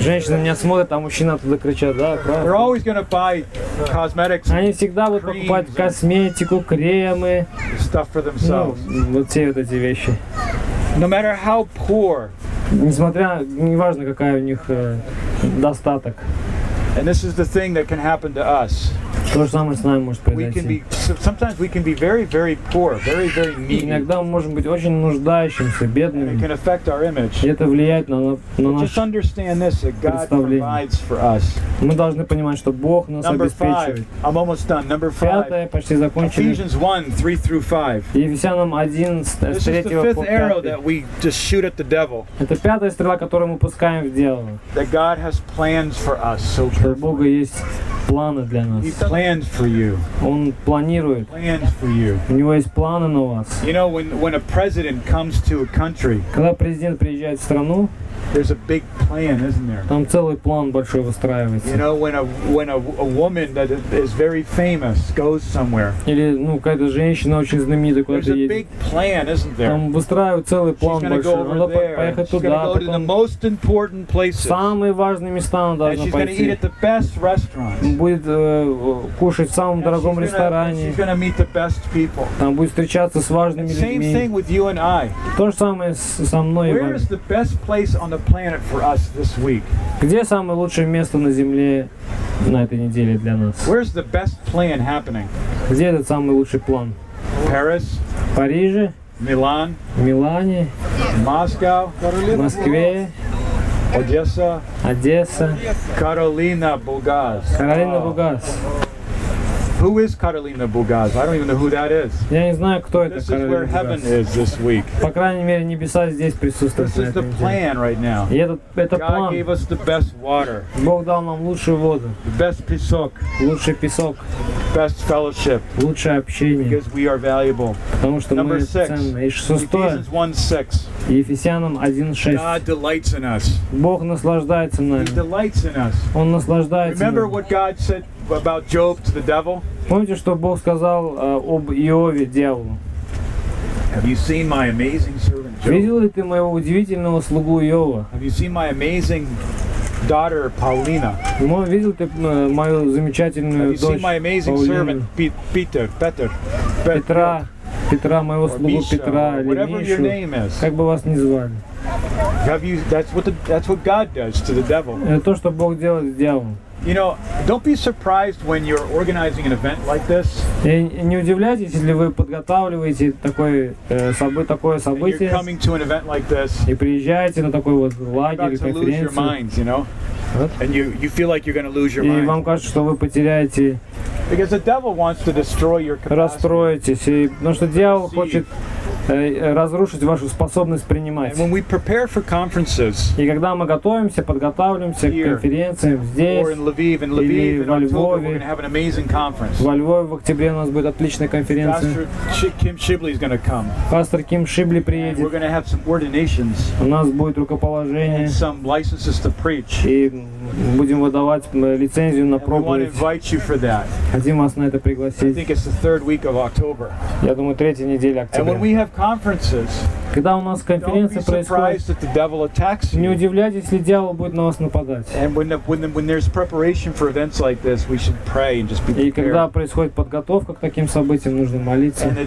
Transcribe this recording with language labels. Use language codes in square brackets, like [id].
[ru] Женщины меня смотрят, а мужчины оттуда кричат, да, правда. [en] They're always gonna buy cosmetics. [ru] Они всегда будут покупать косметику, кремы. [en] Stuff for themselves. [ru] Ну, вот все вот эти вещи. [en] No matter how poor. [ru] Несмотря, неважно, какая у них достаток. [en] And this is the thing that can happen to us. [ru] То же самое с нами может произойти. [en] Sometimes we can be very, very poor, very, very needy. [ru] Иногда мы можем быть очень нуждающимся, бедными. [en] And it can affect our image. [ru] И это влияет на наше представление. [en] God provides for us. [ru] Мы должны понимать, что Бог нас [en] Number [ru] обеспечивает. [en] Five. I'm almost done. Number five. [ru] Пятое, почти закончили. [en] Ephesians 1:3-5. [ru] Ефесянам 1, с 3 по 5. [en] This is the fifth arrow that we just shoot at the devil. [ru] Это пятая стрела, которую мы пускаем в дьявола. [en] That God has plans for us. So [ru] у Бога есть планы для нас. [en] He planned for you. [ru] Он планирует. планирует. [en] Plans for you. [ru] У него есть планы на вас. [en] You know, when a president comes to a country, [ru] когда президент приезжает в страну, [en] there's a big plan, isn't there? [ru] Там целый план большой выстраивается. [en] You know, when a woman that is very famous goes somewhere. [ru] Или, ну, какая-то женщина очень знаменитая куда-то едет. [en] There's a big plan, isn't there? [ru] Там выстраивают целый план большой. Она должна поехать туда, потом самые важные места она должна пойти. [en] And she's going to eat at the best restaurants. [ru] Будет кушать в самом дорогом ресторане. [en] She's going to meet the best people. [ru] Там будет встречаться с важными людьми. [en] Same thing with you and I. [ru] То же самое со мной и вами. [en] Where is the best place on the planet for us this week? [ru] Где самое лучшее место на Земле на этой неделе для нас? [en] Where's the best plan happening? [ru] Где этот самый лучший план? [en] Paris. [ru] Париже. [en] Milan. [ru] Милане. [en] Moscow. [ru] Москве. Одесса. Одесса. Каролина Бугаз. Каролина Бугаз. [en] Who is Carolina Bugaz? I don't even know who that is. [ru] Я не знаю, кто это. [en] This is where heaven is this week. [ru] По крайней мере, небеса здесь присутствуют. [en] This is the plan right now. [ru] И это план. [en] God gave us the best water. [ru] Бог дал нам лучшую воду. [en] The best [ru] песок. Лучший песок. [en] Best fellowship. [ru] Лучшее общение. [en] Because we are valuable. [ru] Потому что мы ценны. [en] Ephesians 1:6. [ru] Ефесянам 1:6. [en] God delights in us. [ru] Бог наслаждается нами. [en] He delights in us. [ru] Он наслаждается нами. [en] Remember what God said about Job to the devil? [ru] Помните, что Бог сказал об Иове дьяволу? [en] Have you seen my amazing servant Job? [ru] Видел ли ты моего удивительного слугу Иова? [en] Have you seen my amazing daughter Paulina? [ru] Видел ты мою замечательную дочь? [en] Have you seen my amazing servant Петра? [ru] Петра, моего слугу Петра, или Мишу, как бы вас ни звали. [en] That's what God does to the devil. [ru] Это то, что Бог делает с дьяволом. [en] You know, don't be surprised when you're organizing an event like this. [ru] Не удивляйтесь, если вы подготавливаете такое событие. [en] You're coming to an event like this. [ru] И приезжаете на такой вот лагерь, конференцию. [en] Minds, you know? And you feel like you're going to lose your [ru] и [en] mind. [ru] И вам кажется, что вы потеряете. [en] Because the devil wants to destroy your capacity. [ru] Расстроитесь, потому что дьявол хочет разрушить вашу способность принимать. [en] When we prepare for conferences, [ru] и когда мы готовимся, подготавливаемся [en] here, [ru] к конференциям здесь, [en] or in Lviv, [ru] или во Львове, [en] we're going to have an amazing conference. [ru] Во Львове в октябре у нас будет отличная конференция. [en] Pastor [ru] Ким Шибли приедет. [en] And we're going to have some ordinations. [ru] У нас будет рукоположение. [en] And some licenses to preach. [ru] И будем выдавать лицензию на проповедь. [en] And we want to invite you for that. [ru] Хотим вас на это пригласить. [en] I think it's the third week of October. [ru] Я думаю, третья неделя октября. [en] Have conferences. [ru] Когда у нас конференция происходит, не удивляйтесь, если дьявол будет на вас нападать. [en] And when there's preparation for events like this, we should pray and just be prepared. [ru] И когда происходит подготовка к таким событиям, нужно молиться.